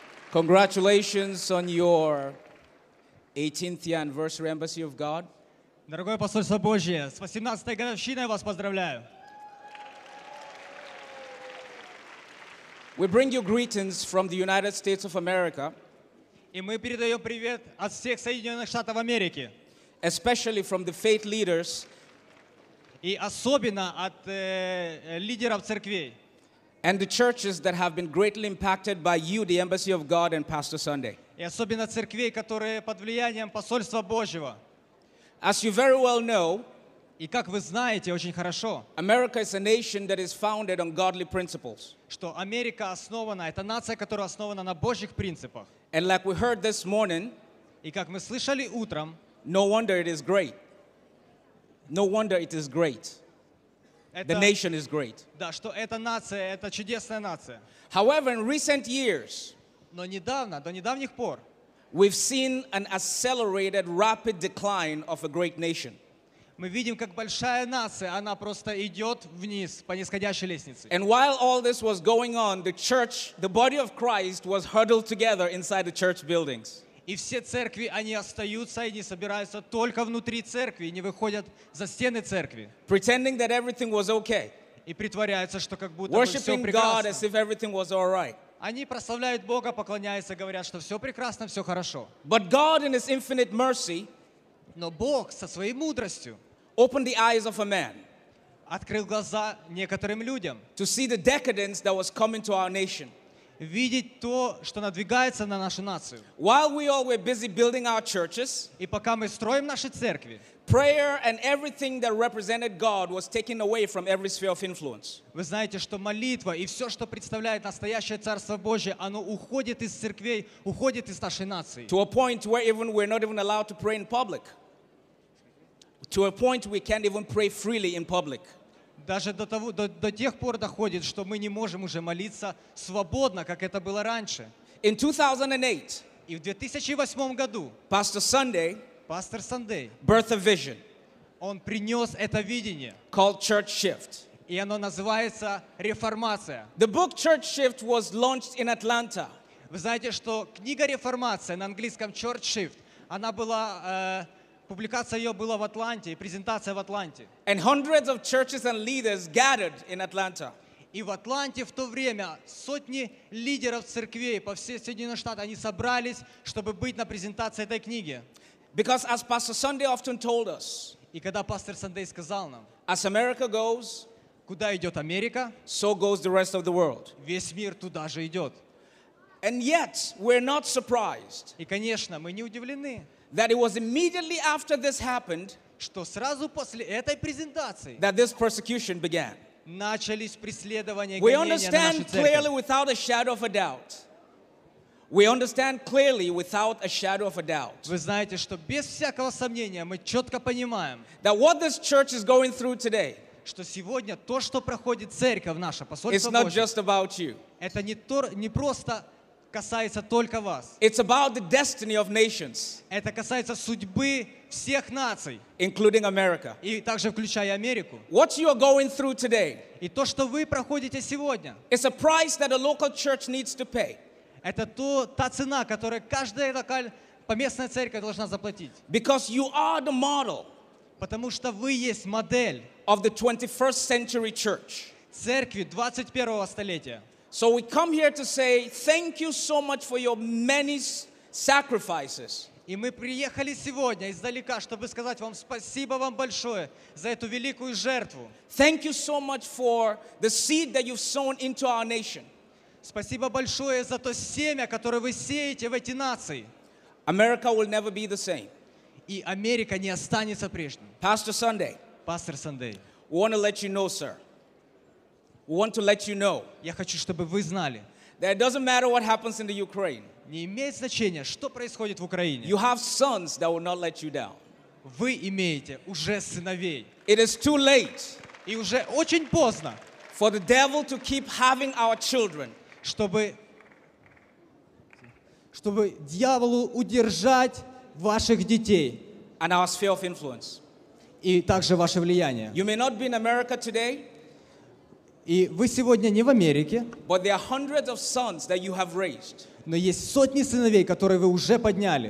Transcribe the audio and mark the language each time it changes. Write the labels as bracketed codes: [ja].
[en] Congratulations on your 18th anniversary, Embassy of God. [ru] Дорогое посольство Божье, с 18-й годовщиной вас поздравляю. [en] We bring you greetings from the United States of America. [ru] И мы передаем привет от всех Соединенных Штатов Америки. [en] Especially from the faith leaders. [ru] И особенно от лидеров церквей. [en] And the churches that have been greatly impacted by you, the Embassy of God, and Pastor Sunday. [ru] И особенно церквей, которые под влиянием посольства Божьего. [en] As you very well know, [ru] и как вы знаете очень хорошо, [en] America is a nation that is founded on godly principles. [ru] Что Америка основана, это нация, которая основана на Божьих принципах. [en] And like we heard this morning, [ru] и как мы слышали утром, [en] no wonder it is great. No wonder it is great. The nation is great. [ru] Да, что эта нация, это чудесная нация. [en] However, in recent years, [ru] но недавно, до недавних пор, [en] we've seen an accelerated, rapid decline of a great nation. [ru] мы видим, как большая нация, она просто идет вниз по нисходящей лестнице. [en] And while all this was going on, the church, the body of Christ was huddled together inside the church buildings. [ru] И все церкви, они остаются, они собираются только внутри церкви, не выходят за стены церкви. [en] Pretending that everything was okay. [ru] И притворяются, что как будто [en] Worshiping [ru] все прекрасно. [en] God as if everything was all right. [ru] Они прославляют Бога, поклоняются, говорят, что все прекрасно, все хорошо. [en] But God in his infinite mercy [ru] Но Бог со своей мудростью [en] opened the eyes of a man [ru] открыл глаза некоторым людям [en] to see the decadence that was coming to our nation. [ru] Видеть то, что надвигается на нашу нацию. [en] While we all were busy building our churches, [ru] и пока мы строим наши церкви, [en] prayer and everything that represented God was taken away from every sphere of influence. [ru] Вы знаете, что молитва и все, что представляет настоящее Царство Божие, оно уходит из церквей, уходит из нашей нации. [en] To a point where even we're not even allowed to pray in public. To a point we can't even pray freely in public. [ru] Даже до того, до тех пор доходит, что мы не можем уже молиться свободно, как это было раньше. [en] In 2008, [ru] и в 2008 году [en] Pastor Sunday, Pastor Sunday birthed a vision, [ru] он принес это видение, [en] called Church Shift. [ru] И оно называется «Реформация». [en] The book Church Shift was launched in Atlanta. [ru] Вы знаете, что книга «Реформация» на английском Church Shift, она была... Публикация ее была в Атланте, презентация в Атланте. [en] And hundreds of churches and leaders gathered in Atlanta. [ru] И в Атланте в то время сотни лидеров церквей по всей Соединенных Штатах, они собрались, чтобы быть на презентации этой книги. [en] Because as Pastor Sunday often told us, [ru] и когда пастор Сандей сказал нам, [en] as America goes, [ru] куда идет Америка, [en] so goes the rest of the world. [ru] Весь мир туда же идет. [en] And yet, we're not surprised. [ru] И, конечно, мы не удивлены. [en] That it was immediately after this happened, [ru] что сразу после этой презентации, [en] that this persecution began. [ru] Начались преследования. [en] We understand clearly, without a shadow of a doubt. We understand clearly, without a shadow of a doubt. [ru] Вы знаете, что без всякого сомнения мы четко понимаем, [en] that what this church is going through today, [ru] что сегодня то, что проходит церковь наша, посольство Божие, [en] it's not just about you. [ru] Это не просто касается только вас. [en] It's about the destiny of nations. [ru] Это касается судьбы всех наций. [en] Including America. [ru] И также включая Америку. [en] What you are going through today. [ru] И то, что вы проходите сегодня. [en] It's a price that a local church needs to pay. [ru] Это та цена, которую каждая локальная поместная церковь должна заплатить. [en] Because you are the model. [ru] Потому что вы есть модель. [en] Of the 21st century church. [ru] Церкви 21-го столетия. [en] So we come here to say thank you so much for your many sacrifices. [ru] И мы приехали сегодня издалека, чтобы сказать вам спасибо вам большое за эту великую жертву. [en] Thank you so much for the seed that you've sown into our nation. [ru] Спасибо большое за то семя, которое вы сеете в эти нации. [en] America will never be the same. [ru] И Америка не останется прежней. [en] Pastor Sunday. Pastor Sunday. We want to let you know, sir. We want to let you know. [ru] Я хочу, чтобы вы знали. [en] That it doesn't matter what happens in the Ukraine. [ru] Не имеет значения, что происходит в Украине. [en] You have sons that will not let you down. [ru] Вы имеете уже сыновей. [en] It is too late. [ru] И уже очень поздно. [en] For the devil to keep having our children. [ru] Чтобы дьяволу удержать ваших детей. [en] And our sphere of influence. [ru] И также ваше влияние. [en] You may not be in America today. [ru] И вы сегодня не в Америке. [en] But there are hundreds of sons that you have raised. [ru] Но есть сотни сыновей, которые вы уже подняли.